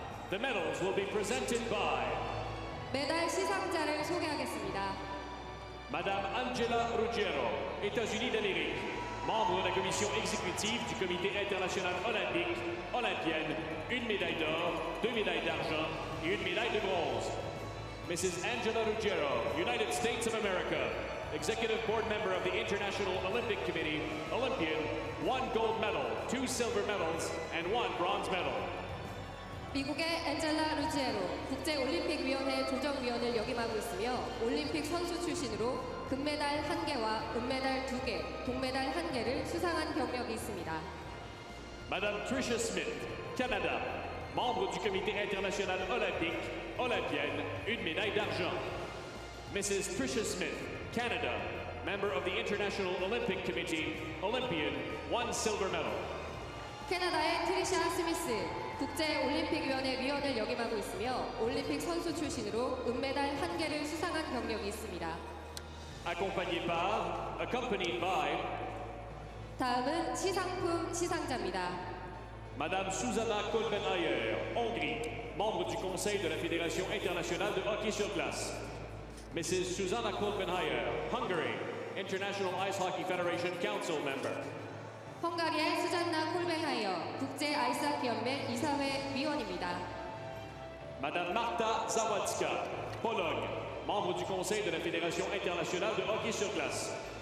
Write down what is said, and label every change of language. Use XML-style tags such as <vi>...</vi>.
<en>The medals will be presented by</en> <ko>메달 시상자를 소개하겠습니다.</ko> <fr>Madame Angela Ruggiero, États-Unis d'Amérique, membre de la commission exécutive du Comité international olympique, olympienne, une médaille d'or, deux médailles d'argent et une médaille de bronze.</fr> <en>Mrs. Angela Ruggiero, United States of America, executive board member of the International Olympic Committee, Olympian, one gold medal, two silver medals and one bronze medal.</en> <ko>미국의 앤젤라 루지에로, 국제올림픽위원회 조정위원을 역임하고 있으며 올림픽 선수 출신으로 금메달 1개와 은메달 2개, 동메달 1개를 수상한 경력이 있습니다.</ko> <fr>Madame Tricia Smith, Canada, membre du Comité international olympique, olympienne, une médaille d'argent.</fr> <en>Mrs. Tricia Smith, Canada, member of the International Olympic Committee, olympian, one silver medal.</en> <ko>캐나다의 트리샤 스미스, 국제올림픽위원회 위원을 역임하고 있으며 올림픽 선수 출신으로 은메달 1개를 수상한 경력이 있습니다.</ko> <en>Accompanied by</en> <ko>다음은 시상품 시상자입니다.</ko> <fr>Madame Susanna Kolbenayer, Hongrie, membre du Conseil de la Fédération Internationale de Hockey sur Glace.</fr> <en>Mrs. Susanna Kolbenayer, Hungary, International Ice Hockey Federation Council member.</en> <ko>헝가리의 수잔나 콜벤하이어, 국제 아이스하키 연맹 이사회 위원입니다.</ko> <fr>Madame Marta Zawadzka, Pologne, membre du Conseil de la Fédération Internationale de Hockey sur Glace.</fr>